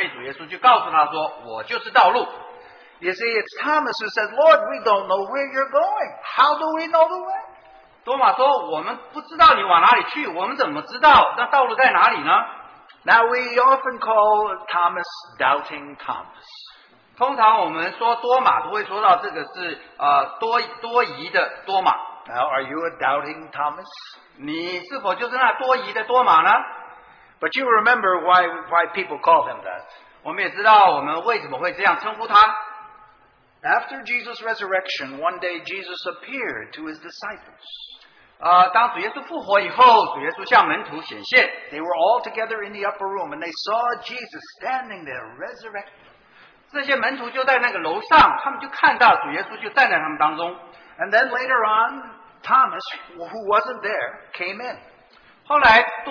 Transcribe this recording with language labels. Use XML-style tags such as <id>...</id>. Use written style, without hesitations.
<zh>由于他不知道道路在哪里，所以主耶稣就告诉他说，我就是道路。</zh> <en>You see, it's Thomas who says, Lord, we don't know where you're going. How do we know the way?</en> <zh>多马说,我们不知道你往哪里去,我们怎么知道那道路在哪里呢?</zh> <en>Now, we often call Thomas Doubting Thomas.</en> <zh>通常我们说多马都会说到这个是多疑的多马。</zh> <en>Now, are you a Doubting Thomas?</en> <zh>你是否就是那多疑的多马呢?</zh> <en>But you remember why people call him that.</en> <zh>我们也知道我们为什么会这样称呼他。</zh> <en>After Jesus' resurrection, one day Jesus appeared to his disciples.</en> <zh>当主耶稣复活以后，主耶稣向门徒显现。</zh> <en>They were all together in the upper room, and they saw Jesus standing there resurrected.</en> <zh>这些门徒就在那个楼上，他们就看到主耶稣就站在他们当中。</zh> <en>And then later on, Thomas, who wasn't there, came in.</en>